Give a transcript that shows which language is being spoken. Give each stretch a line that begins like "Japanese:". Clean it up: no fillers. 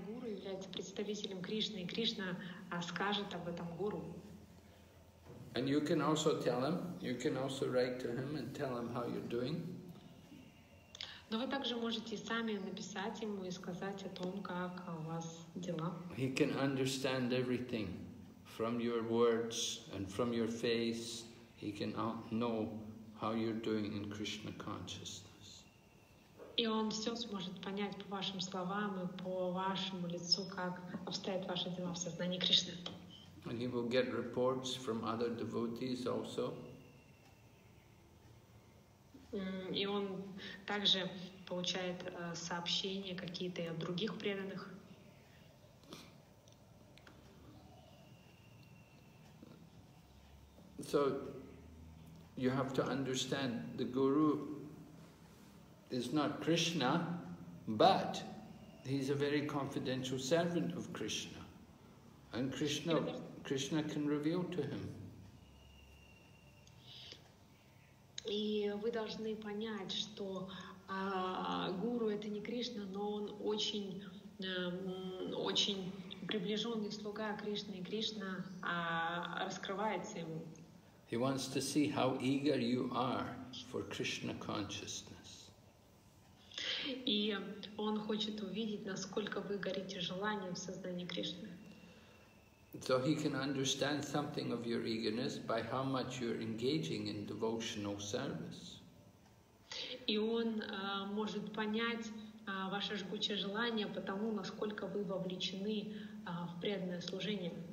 Russian: Гуру является представителем Кришны, и Кришна скажет об этом гуру.
English: And you can also tell him. You can also write to him and tell him how you're doing.
Russian: Но вы также можете сами написать ему и сказать о том, как у вас дела.
English: He can understand everything. From your words and from your face, he can know how you're doing in Krishna consciousness.
Russian: И он все сможет понять по вашим словам и по вашему лицу, как обстоят ваши дела в сознании Кришны.
English: And he will get reports from other devotees also.
Russian: И он также получает сообщения какие-то от других преданных.
English: So you have to understand the guru is not Krishna, but he's a very confidential servant of Krishna, and Krishna can reveal to him.
Russian: И вы должны понять, что гуру это не Кришна, но он очень приближенный слуга Кришны, и Кришна раскрывается ему.
English: He wants to see how eager you are for Krishna consciousness.
Russian: И он хочет увидеть, насколько вы горите желанием в сознании Кришны.
English: So he can understand something of your eagerness by how much you're engaging in devotional service.
Russian: И он может понять ваше жгучее желание, потому насколько вы вовлечены в преданное служение.